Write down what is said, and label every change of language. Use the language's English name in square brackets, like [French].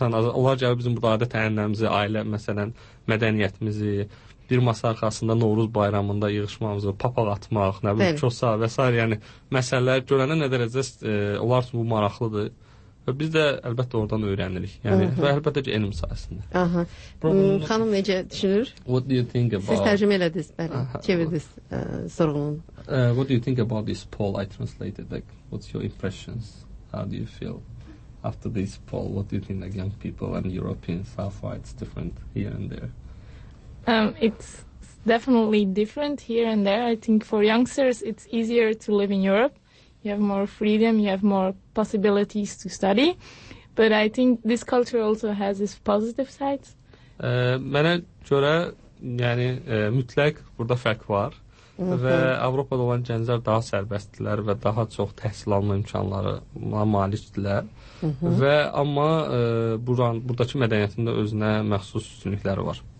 [Azerbaijani] Məsələn, onlar gəlir bizim burada adət ənənəmizi, ailə, məsələn, mədəniyyətimizi, bir masa arxasında Novruz bayramında yığışmamızı, papaq atmaq, nə bilim, çosa və s. Yəni, məsələlər görənə nə dərəcə olar üçün bu maraqlıdır. Və biz də əlbəttə oradan öyrənirik. Yəni, və əlbəttə ki, elm sayəsində. Xanım necə düşünür? [English] What do you think about... [Azerbaijani] Siz tərcümə elədiniz, bəli, çevirdiniz sorğunun. [English] What do you think about this poll I translated? Like, what's your impressions? How do you feel after this poll? What do you think, like, young people and Europeans, how far it's different here and there? It's definitely different here and there. I think for youngsters it's easier to live in Europe. You have more freedom, you have more possibilities to study. But I think this culture also has its positive sides. [Azerbaijani] Mənə görə, yəni, mütləq burada fərq var. Və Avropada olan gənclər daha sərbəstdirlər və daha çox təhsil alma imkanlarına malikdirlər. Və amma buradakı mədəniyyətində özünə məxsus üstünlükləri var.